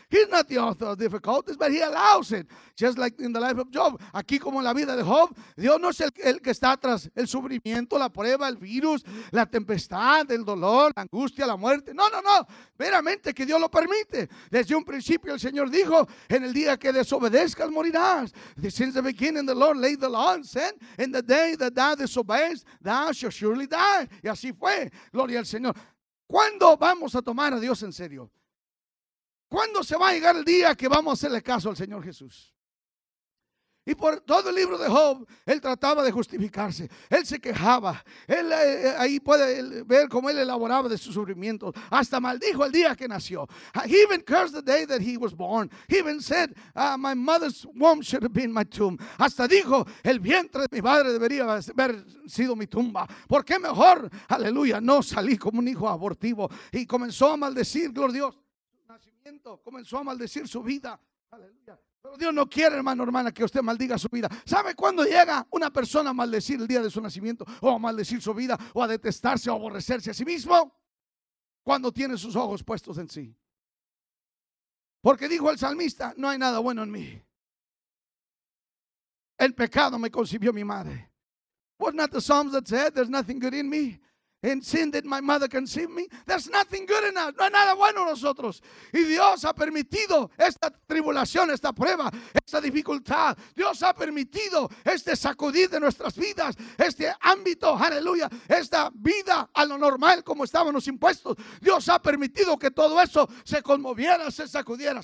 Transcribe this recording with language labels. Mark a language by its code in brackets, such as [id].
[en] He's not the author of difficulties, but he allows it. Just like in the life of Job. [es] Aquí como en la vida de Job, Dios no es el que está tras el sufrimiento, la prueba, el virus, la tempestad, el dolor, la angustia, la muerte. No, no, no. Veramente que Dios lo permite. Desde un principio el Señor dijo, en el día que desobedezcas morirás. [en] Since the beginning the Lord laid the law and said, in the day that thou disobeys, thou shalt surely die. [es] Y así fue. Gloria al Señor. ¿Cuándo vamos a tomar a Dios en serio? ¿Cuándo se va a llegar el día que vamos a hacerle caso al Señor Jesús? Y por todo el libro de Job, él trataba de justificarse. Él se quejaba. Él ahí puede ver cómo él elaboraba de sus sufrimientos. Hasta maldijo el día que nació. [en] He even cursed the day that he was born. He even said, my mother's womb should have been my tomb. [es] Hasta dijo, el vientre de mi madre debería haber sido mi tumba. ¿Por qué mejor, aleluya, no salí como un hijo abortivo? Y comenzó a maldecir, gloria a Dios, su nacimiento. Comenzó a maldecir su vida. Aleluya. Pero Dios no quiere, hermano, hermana, que usted maldiga su vida. ¿Sabe cuándo llega una persona a maldecir el día de su nacimiento? O a maldecir su vida, o a detestarse, o a aborrecerse a sí mismo. Cuando tiene sus ojos puestos en sí. Porque dijo el salmista, no hay nada bueno en mí. El pecado me concibió mi madre. [en] Was not the Psalms that said, there's nothing good in me. In sin did my mother conceive me. There's nothing good in us. [es] No hay nada bueno en nosotros. Y Dios ha permitido esta tribulación, esta prueba, esta dificultad. Dios ha permitido este sacudir de nuestras vidas, este ámbito, aleluya, esta vida a lo normal como estaban los impuestos. Dios ha permitido que todo eso se conmoviera, se sacudiera.